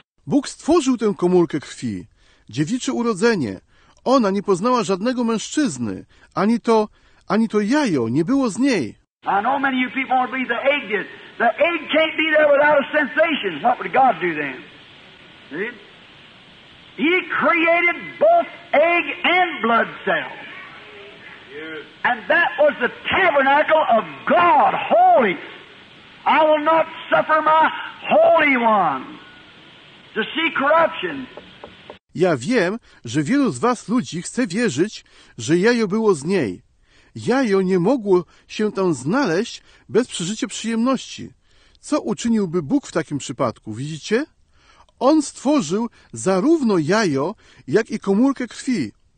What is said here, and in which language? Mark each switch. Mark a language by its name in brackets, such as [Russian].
[Polish] Bóg stworzył tę komórkę krwi. Dziewicze urodzenie. Ona nie poznała żadnego mężczyzny. Ani to jajo nie było z niej. [English] I know many of you people want to believe the egg did. The egg can't be there without a sensation. What would God do then? See? He created both egg and blood cells. And that was the tabernacle of God, holy. I will not suffer my holy one to see corruption. [Polish] Ja wiem, że wielu z was ludzi chce wierzyć, że jajo było z niej. Jajo nie mogło się tam znaleźć bez przeżycia przyjemności. Co uczyniłby Bóg w takim przypadku, widzicie? On stworzył zarówno jajo, jak i komórkę krwi.